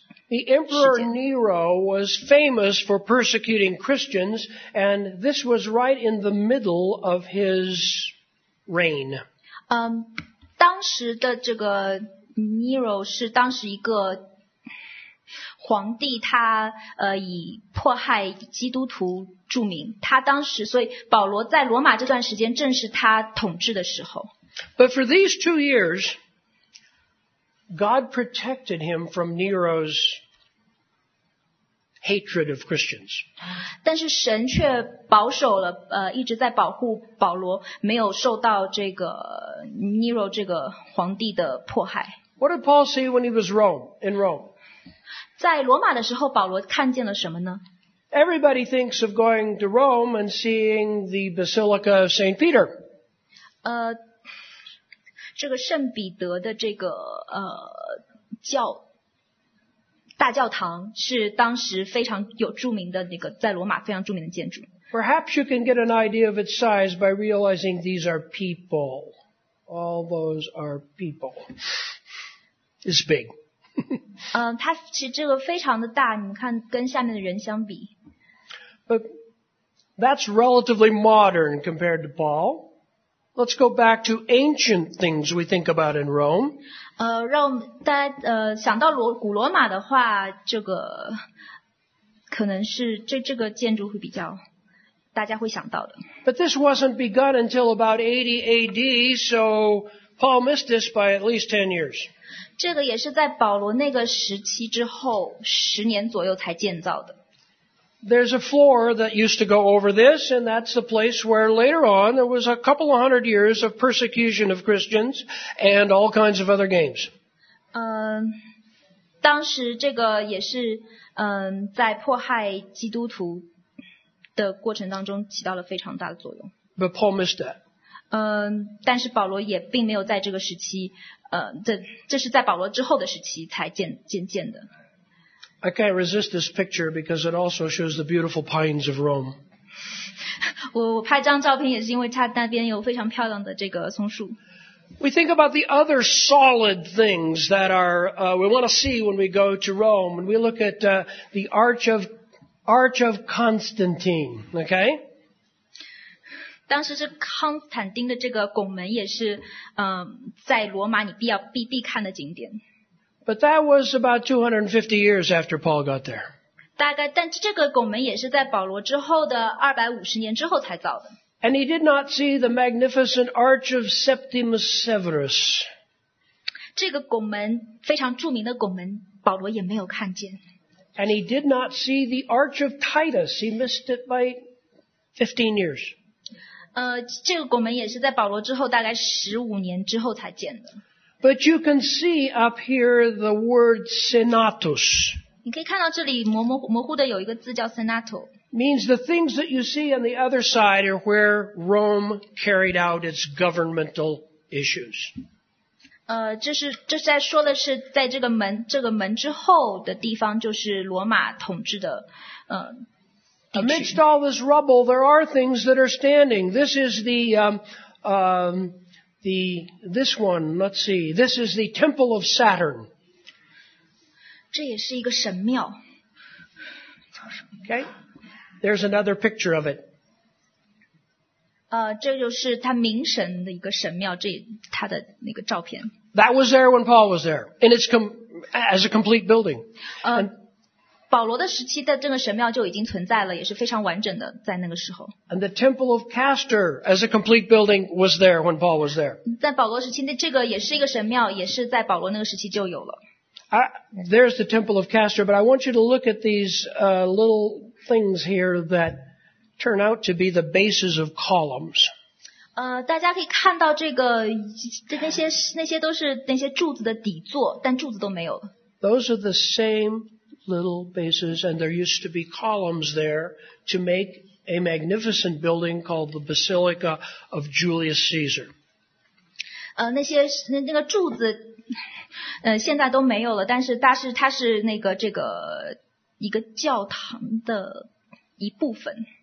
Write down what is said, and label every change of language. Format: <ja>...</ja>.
<en>The Emperor Nero was famous for persecuting Christians, and this was right in the middle of his reign.</en> <zh>当时的这个 Nero 是当时一个皇帝，他以迫害基督徒著名。他当时，所以保罗在罗马这段时间正是他统治的时候。</zh> <en>But for these 2 years, God protected him from Nero's hatred of Christians.</en> <zh>但是神却保守了，一直在保护保罗，没有受到这个 Nero 这个皇帝的迫害。</zh> <en>What did Paul see when he was in Rome?</en> <zh>在罗马的时候，保罗看见了什么呢？</zh> <en>Everybody thinks of going to Rome and seeing the Basilica of St. Peter.</en> <zh>这个圣彼得的这个教大教堂是当时非常有著名的那个在罗马非常著名的建筑。</zh> <en>Perhaps you can get an idea of its size by realizing these are people. All those are people. It's big.</en> <zh>它其实这个非常的大，你们看跟下面的人相比。</zh> <en>But that's relatively modern compared to Paul. Let's go back to ancient things we think about in Rome.</en> <zh>让大家想到古罗马的话，这个可能是这个建筑会比较大家会想到的。</zh> <en>But this wasn't begun until about 80 AD, so Paul missed this by at least 10 years.</en> <zh>这个也是在保罗那个时期之后十年左右才建造的。</zh> <en>There's a floor that used to go over this, and that's the place where later on there was a couple of hundred years of persecution of Christians and all kinds of other games.</en> <zh>当时这个也是在迫害基督徒的过程当中起到了非常大的作用。</zh> <en>But Paul missed that.</en> <zh>但是保罗也并没有在这个时期这是在保罗之后的时期才建的。</zh> <en>I can't resist this picture because it also shows the beautiful pines of Rome.</en> <zh>我拍张照片也是因为它那边有非常漂亮的这个松树。</zh> <en>We think about the other solid things that are, we want to see when we go to Rome. And we look at, the Arch of Constantine, okay?</en> <zh>当时是康斯坦丁的这个拱门也是在罗马你必看的景点。</zh> <en>But that was about 250 years after Paul got there.</en> <zh>大概，但这个拱门也是在保罗之后的250年之后才造的。</zh> <en>And he did not see the magnificent Arch of Septimus Severus.</en> <zh>这个拱门，非常著名的拱门，保罗也没有看见。</zh> <en>And he did not see the Arch of Titus. He missed it by 15 years.</en> <zh>这个拱门也是在保罗之后大概15年之后才建的。</zh> <en>But you can see up here the word Senatus.</en> <zh>你可以看到这里模糊的有一个字叫 Senato.</zh> <en>Means the things that you see on the other side are where Rome carried out its governmental issues.</en> <zh>这是在说的是在这个门之后的地方就是罗马统治的</zh> <en>Amidst all this rubble, there are things that are standing. This is this is the Temple of Saturn.</en> <zh>这也是一个神庙。</zh> <en>Okay, there's another picture of it.</en> <zh>这就是他冥神的一个神庙，这他的那个照片。</zh> <en>That was there when Paul was there, and it's as a complete building.</en> <zh>保罗的时期的这个神庙就已经存在了，也是非常完整的，在那个时候。</zh> <en>And the Temple of Castor, as a complete building, was there when Paul was there.</en> <zh>在保罗时期，这个也是一个神庙，也是在保罗那个时期就有了。</zh> <en>There's the Temple of Castor, but I want you to look at these little things here that turn out to be the bases of columns.</en> <zh>大家可以看到那些都是那些柱子的底座，但柱子都没有了。</zh> <en>Those are the same. Little bases, and there used to be columns there to make a magnificent building called the Basilica of Julius Caesar.</en> <zh>那个柱子，现在都没有了。但是它是那个这个一个教堂的一部分。</zh>